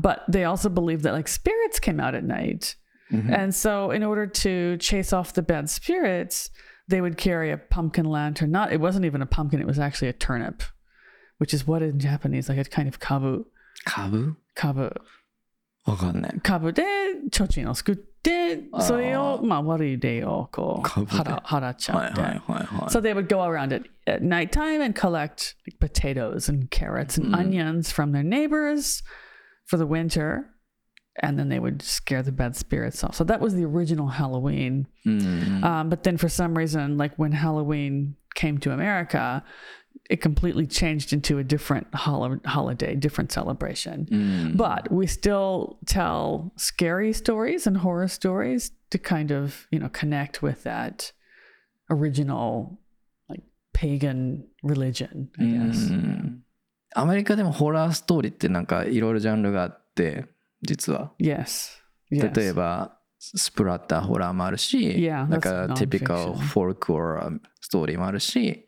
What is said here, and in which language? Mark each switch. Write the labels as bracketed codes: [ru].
[en] But they also believed that like spirits came out at night. Mm-hmm. And so in order to chase off the bad spirits, they would carry a pumpkin lantern. Not, it wasn't even a pumpkin. It was actually a turnip, which is what in Japanese, like a kind of kabu. [ja] Kabu? Kabu. わかんない。株でちょちんを作って、それをまあ悪い例をこう払っちゃって。はいはいはいはい。 [en] So they would go around at night time and collect like potatoes and carrots and onions from their neighbors for the winter, and then they would scare the bad spirits off. So that was the original Halloween. But then for some reason, like when Halloween came to America, it completely changed into a different holiday, different celebration. But we still tell scary stories and horror stories to kind of, you know, connect with that original, like, pagan religion, I guess. [ja] アメリカでもホラーストーリーってなんかいろいろジャンルがあって、実は。 [en] Yes. Yes. [ja] 例えば、スプラッターホラーもあるし、 [en] yeah, [ja] なんかティピカルフォルクホラーストーリーもあるし、